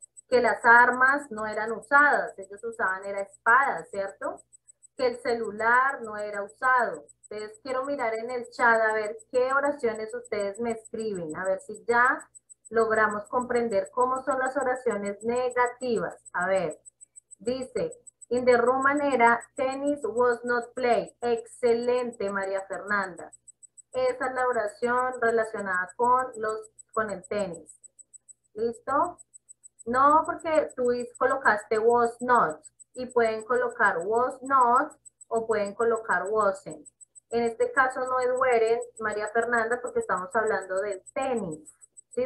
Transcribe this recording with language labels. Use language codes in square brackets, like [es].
[es] Que las armas no eran usadas, ellos usaban era espadas, ¿cierto? Que el celular no era usado. Entonces, quiero mirar en el chat a ver qué oraciones ustedes me escriben, a ver si ya logramos comprender cómo son las oraciones negativas. A ver, dice, [en] in the Roman era, tennis was not played. [es] Excelente, María Fernanda. Esa es la oración relacionada con el tenis. ¿Listo? No, porque tú colocaste was not, y pueden colocar was not, o pueden colocar wasn't. En este caso no es weren, María Fernanda, porque estamos hablando de tenis, ¿sí?